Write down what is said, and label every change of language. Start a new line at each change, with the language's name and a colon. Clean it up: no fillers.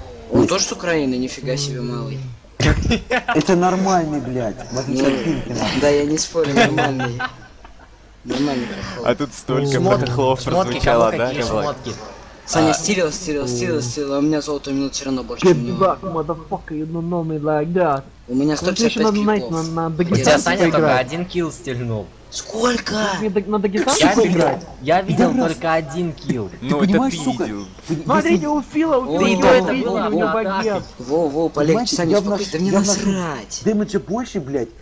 Russian: Он тоже с Украины, нифига себе, малый. Это нормальный, блядь, в отличие от Пинкина. Да, я не спорю, нормальный. Нормальный прохол. А тут столько прохолов прозвучало, да? Шмотки. Саня, стилил, а у меня золото минут все равно больше чем у него.
English: Get back, motherfucker, you don't know me like that.
Russian: У меня 155 пипов. У тебя Саня только один килл стильнул. Сколько? На дагестанцев играть? Я видел только один килл. Ну это ты видел. Смотрите, у Фила, у Фила, у Фила, у меня багет. Воу, полегче, Саня, успокойся, да мне насрать. Дэмэджа больше, блядь.